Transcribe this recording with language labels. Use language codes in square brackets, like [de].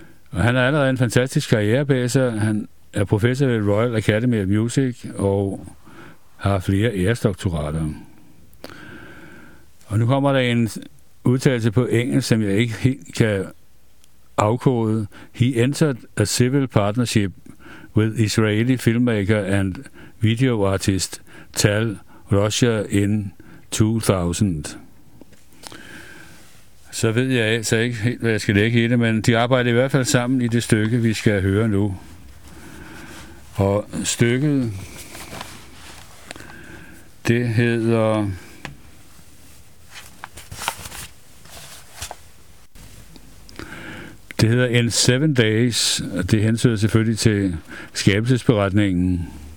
[da] Og han har allerede en fantastisk karrierebase. Han er professor ved Royal Academy of Music og har flere æresdoktorater. Og nu kommer der en udtalelse på engelsk, som jeg ikke helt kan afkode. [en] He entered a civil partnership with Israeli filmmaker and video artist Tal Rocha in 2000. [da] Så ved jeg altså ikke helt, hvad jeg skal lægge i det, men de arbejder i hvert fald sammen i det stykke, vi skal høre nu. Og stykket, det hedder En 7 Days, og det hensøger selvfølgelig til skabelsesberetningen.